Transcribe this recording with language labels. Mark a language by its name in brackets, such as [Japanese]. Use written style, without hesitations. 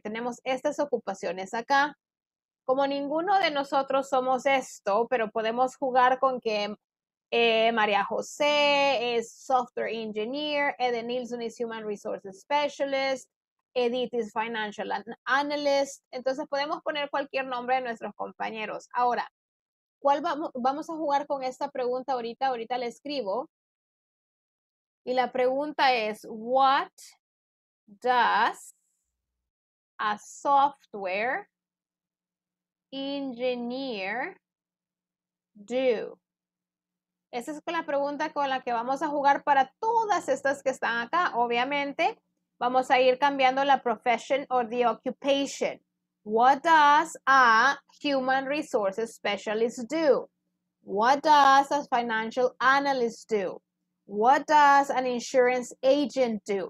[Spanish] Tenemos estas ocupaciones acá. Como ninguno de nosotros somos esto, pero podemos jugar con que María José es software engineer, Eden Nilsson es human resources specialist, [English] Edith is financial analyst. [Spanish] Entonces podemos poner cualquier nombre de nuestros compañeros. Ahora, ¿cuál vamos a jugar con esta pregunta ahorita? Ahorita la escribo. Y la pregunta es, [English] what does a software engineer do? [Spanish] Esa es la pregunta con la que vamos a jugar para todas estas que están acá, obviamente. Vamos a ir cambiando la [English] profession or the occupation. What does a human resources specialist do? What does a financial analyst do? What does an insurance agent do?